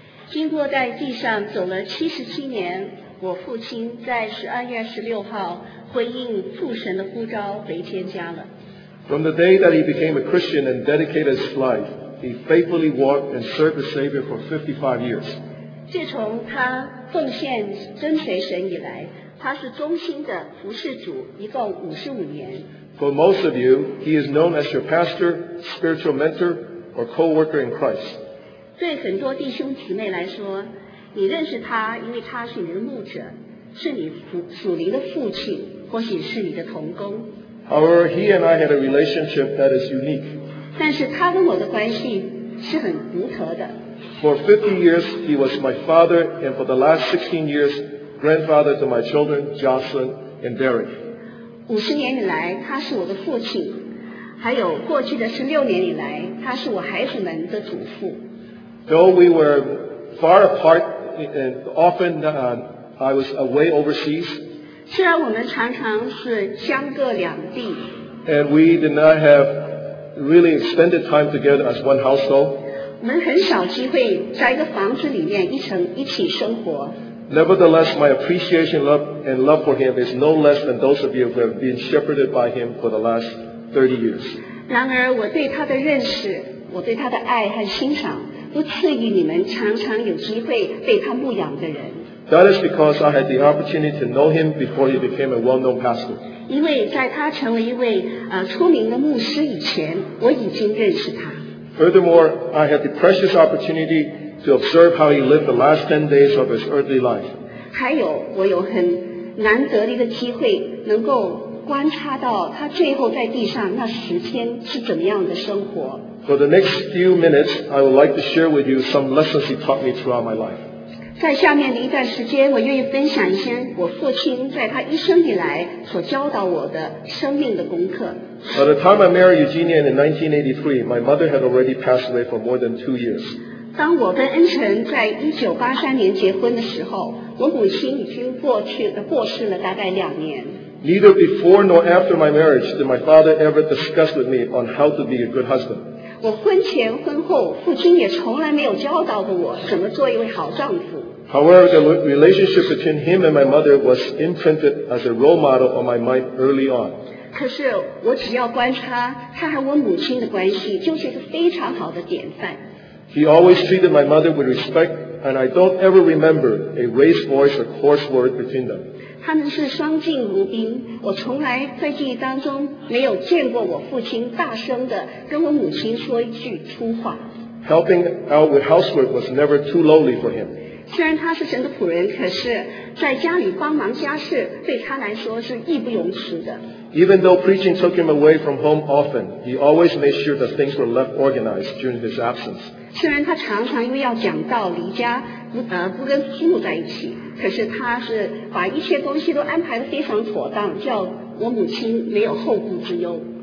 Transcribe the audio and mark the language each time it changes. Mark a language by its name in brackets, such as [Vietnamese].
[Chinese] 经过在地上走了77年，我父亲在12月16号回应父神的呼召回天家了。 [English] From the day that he became a Christian and dedicated his life, he faithfully walked and served the Savior for 55 years. [Chinese] 自从他奉献跟随神以来，他是忠心的服侍主一共55年。 [English] For most of you, he is known as your pastor, spiritual mentor, or co-worker in Christ. [Chinese] 对很多弟兄姊妹来说，你认识他，因为他是你的牧者，是你属灵的父亲，或许是你的同工。 [English] However, he and I had a relationship that is unique. [Chinese] 但是他跟我的关系是很独特的。 [English] For 50 years, he was my father, and for the last 16 years, grandfather to my children, Jocelyn and Derek. [Chinese] 五十年以来他是我的父亲，还有过去的16年以来他是我孩子们的祖父。 [English] Though we were far apart and often I was away overseas, [Chinese] 虽然我们常常是相隔两地， [English] and we did not have really extended time together as one household, [Chinese] 我们很少机会在一个房子里面一起生活。 [English] Nevertheless, my appreciation and love for him is no less than those of you who have been shepherded by him for the last 30 years. [Chinese] 然而我对他的认识，我对他的爱和欣赏，都赐予你们常常有机会被他牧养的人。 [English] That is because I had the opportunity to know him before he became a well-known pastor. [Chinese] 因为在他成为一位出名的牧师以前，我已经认识他。 [English] Furthermore, I had the precious opportunity to observe how he lived the last 10 days of his earthly life. [Chinese] 还有我有很难得的一个机会能够观察到他最后在地上那十天是怎么样的生活。 [English] For the next few minutes, I would like to share with you some lessons he taught me throughout my life. [Chinese] 在下面的一段时间，我愿意分享一些我父亲在他一生以来所教导我的生命的功课。 [English] By the time I married Eugenia in 1983, my mother had already passed away for more than 2 years. [Chinese] 当我跟恩辰在1983年结婚的时候，我母亲已经过世了大概两年。 [English] Neither before nor after my marriage did my father ever discuss with me on how to be a good husband. [Chinese] 我婚前婚后，父亲也从来没有教导过我怎么做一位好丈夫。 [English] However, the relationship between him and my mother was imprinted as a role model on my mind early on. [Chinese] 可是我只要观察他和我母亲的关系，就是一个非常好的典范。 [English] He always treated my mother with respect, and I don't ever remember a raised voice or coarse word between them. [Chinese] 他们是双敬如宾，我从来在记忆当中没有见过我父亲大声的跟我母亲说一句粗话。 [English] Helping out with housework was never too lowly for him. [Chinese] 虽然他是神的仆人，可是在家里帮忙家事对他来说是义不容辞的。 [English] Even though preaching took him away from home often, he always made sure that things were left organized during his absence. [Chinese] 虽然他常常因为要讲道离家，不跟父母在一起，可是他是把一切东西都安排得非常妥当，叫我母亲没有后顾之忧。